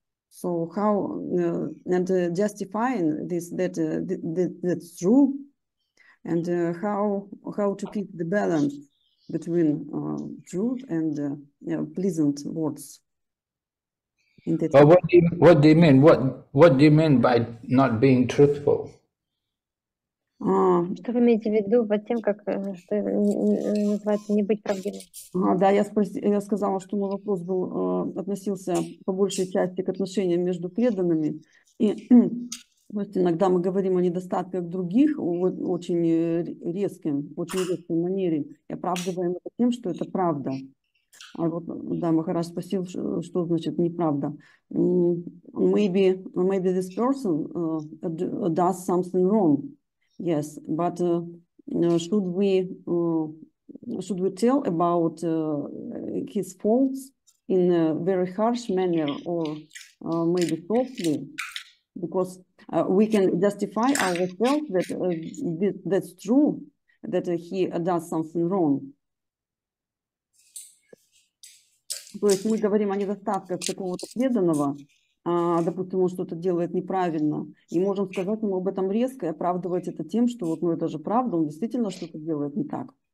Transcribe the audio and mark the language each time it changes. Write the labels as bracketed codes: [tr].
[en] So how and justifying this that's true, and how to keep the balance between truth and pleasant words. Well, what do you mean? What do you mean by not being truthful? [ru] Что вы имеете в виду под тем, как что называется не быть правдивым? Да, я сказала, что мой вопрос был относился по большей части к отношениям между преданными. И вот иногда мы говорим о недостатках других в очень резкой манере и оправдываем это тем, что это правда. А вот, да, Махарадж спросил, что значит неправда. [en] Maybe this person does something wrong. Yes, but should we tell about his faults in a very harsh manner or maybe softly? Because we can justify ourselves that that's true, that he does something wrong. [ru] То есть мы говорим о недостатках какого-то преданного, допустим, он что-то делает неправильно, и можем сказать ему об этом резко и оправдывать это тем, что вот, ну, это же правда, он действительно что-то делает не так.